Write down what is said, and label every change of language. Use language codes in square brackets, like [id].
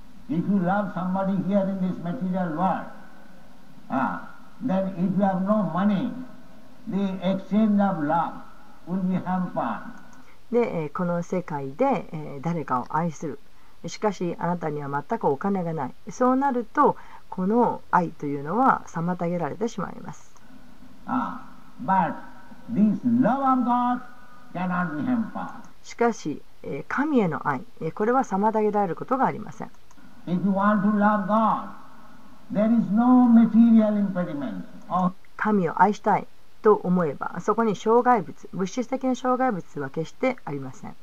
[en] If you love somebody here in this material world, then if you have no money, the exchange of love will be hampered. [ja] で、この世界で、誰かを愛する。しかしあなたには全くお金がない。そうなるとこの愛というのは妨げられてしまいます。 [en] But this love of God cannot be hampered. [ja] しかし神への愛、これは妨げられることがありません。 [en] If you want to love God, there is no material impediment. [ja] 神を愛したいと思えばそこに障害物、物質的な障害物は決してありません。